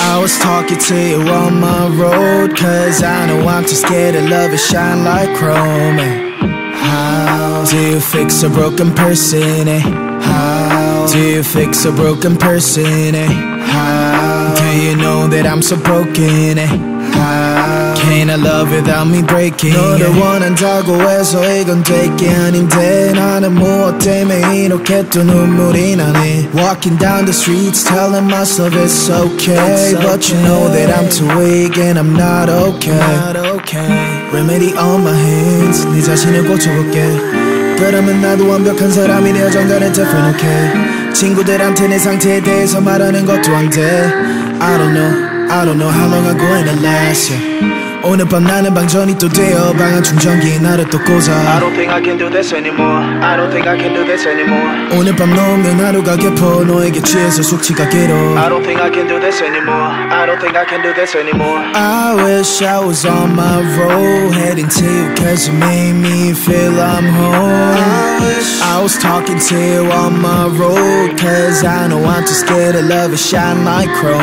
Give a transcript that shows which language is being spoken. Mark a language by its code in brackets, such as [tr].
[en] I was talking to you on my road cause I know I'm too scared of love and shine like chrome. Do you fix a broken person, eh? How? Do you fix a broken person, eh? How? Do you know that I'm so broken, eh? How? Can I love without me breaking? [ko] 너를 원한다고 해서 이건 되게 아닌데 나는 무엇 때문에 이렇게 또 눈물이 나네. [en] Walking down the streets telling myself it's okay, it's okay. But you know that I'm too weak and I'm not okay, not okay. Remedy on my hands, [ko] 네 자신을 고쳐볼게. 그러면 나도 완벽한 사람이 되어 정단을 [en] different, okay. [ko] 친구들한테 내 상태에 대해서 말하는 것도 안 돼. [en] I don't know how long I'm gonna last, yeah. [ko] 오늘 밤 나는 방전이 또 되어 방안 충전기 나를 또 꽂아. [en] I don't think I can do this anymore. I don't think I can do this anymore. [ko] 오늘 밤 넘는 하루가 깊어 너에게 취해서 숙취가 길어. [en] I don't think I can do this anymore. I don't think I can do this anymore. I wish I was on my road heading to you cause you made me feel I'm home. I wish I was talking to you on my road cause I know I'm too scared of love and shine like chrome.